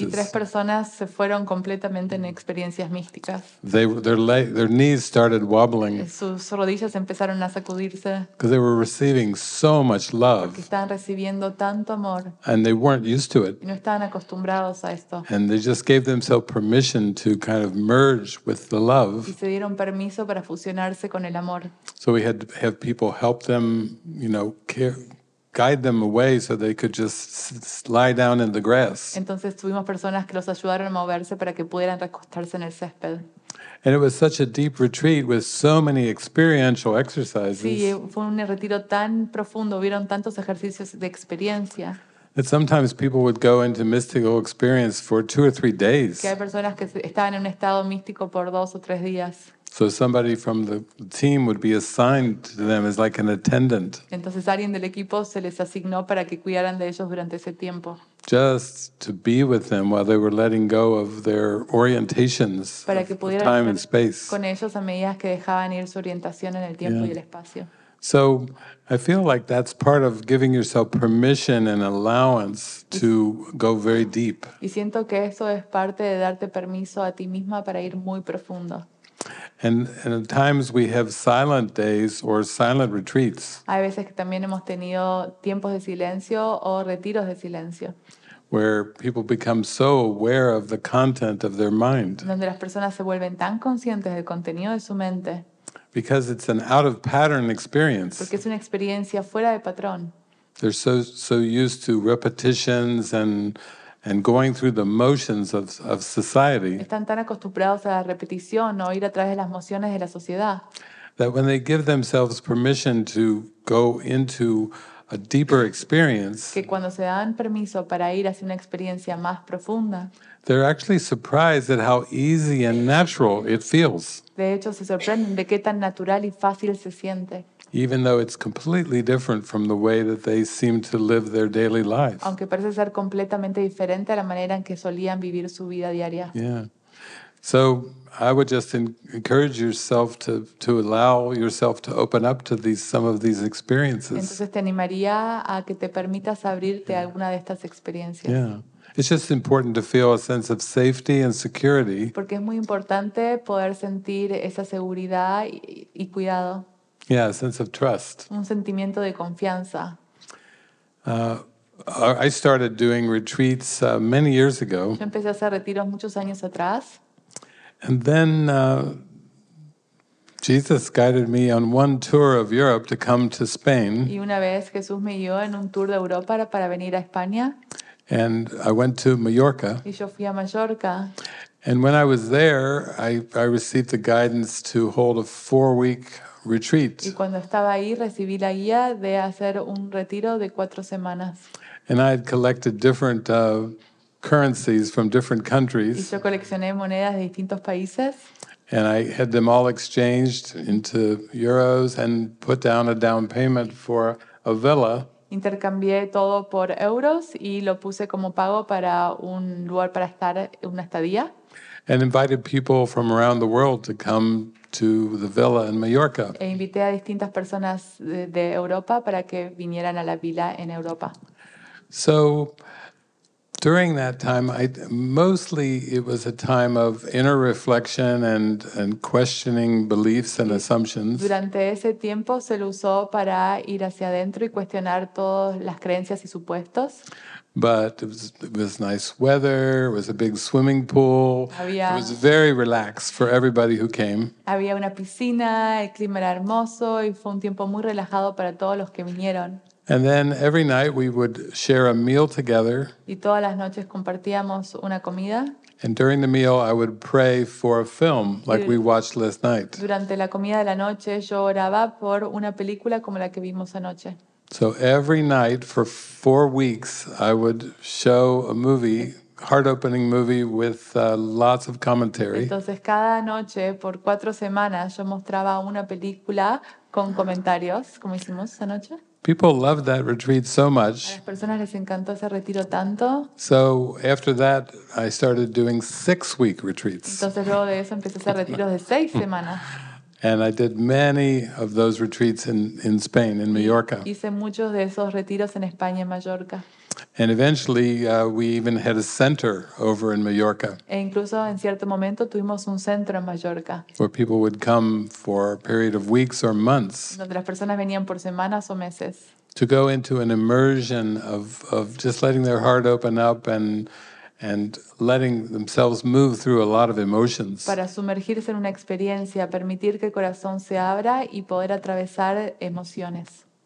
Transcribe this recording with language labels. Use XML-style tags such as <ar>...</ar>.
<es>Y tres personas se fueron completamente en experiencias místicas.</es> <en>Their knees started wobbling.</en> <es>Sus rodillas empezaron a sacudirse.</es> <en>Because they were receiving so much love.</en> <es>Porque estaban recibiendo tanto amor.</es> <en>And they weren't used to it.</en> <es>Y no estaban acostumbrados a esto.</es> <en>And they just gave themselves permission to kind of merge with the love.</en> <es>Y se dieron permiso para fusionarse con el amor.</es> <en>So we had to have people help them, you know, guide them away so they could just lie down in the grass.</en> <es>Entonces tuvimos personas que los ayudaron a moverse para que pudieran recostarse en el césped.</es> <en>And it was such a deep retreat with so many experiential exercises.</en> <es>Sí, fue un retiro tan profundo, hubieron tantos ejercicios de experiencia.</es> <en>That sometimes people would go into mystical experience for 2 or 3 days.</en> <es>Que hay personas que estaban en un estado místico por 2 o 3 días.</es> <en>So somebody from the team would be assigned to them as like an attendant.</en> <es>Entonces alguien del equipo se les asignó para que cuidaran de ellos durante ese tiempo.</es> <en>Just to be with them while they were letting go of their orientations of time and space.</en> <es>Con ellos a medida que dejaban ir su orientación en el tiempo y el espacio.</es> <en>So I feel like that's part of giving yourself permission and allowance to go very deep.</en> <es>Y siento que eso es parte de darte permiso a ti misma para ir muy profundo.</es> <en>And at times we have silent days or silent retreats.</en> <es>Hay veces que también hemos tenido tiempos de silencio o retiros de silencio.</es> <en>Where people become so aware of the content of their mind.</en> <es>Donde las personas se vuelven tan conscientes del contenido de su mente.</es> <en>Because it's an out of pattern experience.</en> <es>Porque es una experiencia fuera de patrón.</es> <en>They're so used to repetitions and going through the motions of society.</en> <es>Están tan acostumbrados a la repetición o ir a través de las mociones de la sociedad.</es> <en>That when they give themselves permission to go into a deeper experience.</en> <es>Que cuando se dan permiso para ir hacia una experiencia más profunda.</es> <en>They're actually surprised at how easy and natural it feels.</en> <es>De hecho, se sorprenden de qué tan natural y fácil se siente.</es> <en>Even though it's completely different from the way that they seem to live their daily lives.</en> <es>Aunque parece ser completamente diferente a la manera en que solían vivir su vida diaria.</es> <en>Yeah. So I would just encourage yourself to allow yourself to open up to some of these experiences.</en> <es>Entonces te animaría a que te permitas abrirte a alguna de estas experiencias.</es> <en>Yeah. It's just important to feel a sense of safety and security.</en> <es>Porque es muy importante poder sentir esa seguridad y cuidado.</es> <en>Yeah, a sense of trust.</en> <es>Un sentimiento de confianza.</es> <en>I started doing retreats many years ago.</en> <es>Yo empecé a hacer retiros muchos años atrás.</es> <en>And then Jesus guided me on one tour of Europe to come to Spain.</en> <es>Y una vez Jesús me guió en un tour de Europa para venir a España.</es> <en>And I went to Mallorca.</en> <es>Y yo fui a Mallorca.</es> <en>And when I was there, I received the guidance to hold a 4-week retreat.</en> <es>Y cuando estaba ahí recibí la guía de hacer un retiro de 4 semanas.</es> <en>And I had collected different currencies from different countries.</en> <es>Y yo coleccioné monedas de distintos países.</es> <en>And I had them all exchanged into euros and put down a down payment for a villa.</en> <es>Intercambié todo por euros y lo puse como pago para un lugar para estar, una estadía.</es> <en>And invited people from around the world to come to the villa in Mallorca.</en> <es>E invité a distintas personas de Europa para que vinieran a la villa en Europa.</es> <en>So during that time, mostly it was a time of inner reflection and questioning beliefs and assumptions.</en> <es>Durante ese tiempo se lo usó para ir hacia adentro y cuestionar todas las creencias y supuestos.</es> <en>But it was nice weather, it was a big swimming pool, it was very relaxed for everybody who came.</en> <es>Había una piscina, el clima era hermoso y fue un tiempo muy relajado para todos los que vinieron.</es> <en>And then every night we would share a meal together.</en> <es>Y todas las noches compartíamos una comida.</es> <en>And during the meal I would pray for a film like we watched last night.</en> <es>Durante la comida de la noche yo oraba por una película como la que vimos anoche.</es> <en>So every night for 4 weeks I would show a movie, heart-opening movie with lots of commentary.</en> <es>Entonces cada noche por 4 semanas yo mostraba una película con comentarios, como hicimos anoche.</es> <en>People loved that retreat so much.</en> <es>A las personas les encantó ese retiro tanto.</es> <en>So after that, I started doing 6-week retreats.</en> <es>Entonces luego de eso empecé a hacer retiros de 6 semanas.</es> <en>And I did many of those retreats in Spain, in Mallorca.</en> <es>Hice muchos de esos retiros en España, en Mallorca.</es> <en>And eventually, we even had a center over in Mallorca.</en> <es>E incluso en cierto momento tuvimos un centro en Mallorca.</es> <en>Where people would come for a period of weeks or months.</en> <es>Donde las personas venían por semanas o meses.</es> <en>To go into an immersion of just letting their heart open up and letting themselves move through a lot of emotions.</en> <es>Para sumergirse en una experiencia, permitir que el corazón se abra y poder atravesar emociones.</es>